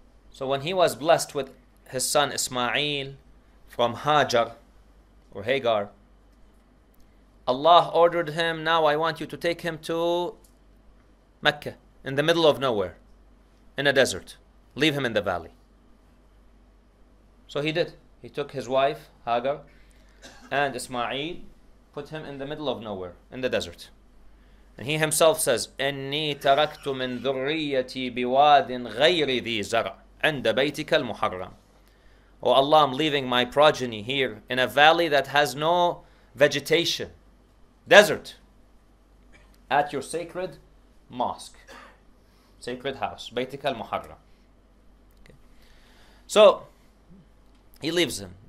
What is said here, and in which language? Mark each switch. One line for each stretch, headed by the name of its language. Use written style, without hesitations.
English: So when he was blessed with his son Ismail from Hajar or Hagar, Allah ordered him, now I want you to take him to Mecca in the middle of nowhere, in a desert. Leave him in the valley. So he did. He took his wife, Hagar, and Ismail, put him in the middle of nowhere, in the desert. And he himself says,
Arabic: إِنِّي تَرَكْتُ مِن ذُرِّيَّتِي بِوَادٍ غَيْرِ ذِي زَرْعٍ عِنْدَ بَيْتِكَ الْمُحَرَّمِ.
English: Oh Allah, I'm leaving my progeny here in a valley that has no vegetation. Desert. At your sacred mosque. Sacred house.
Arabic: بَيْتِكَ الْمُحَرَّمِ.
English: So, he leaves him.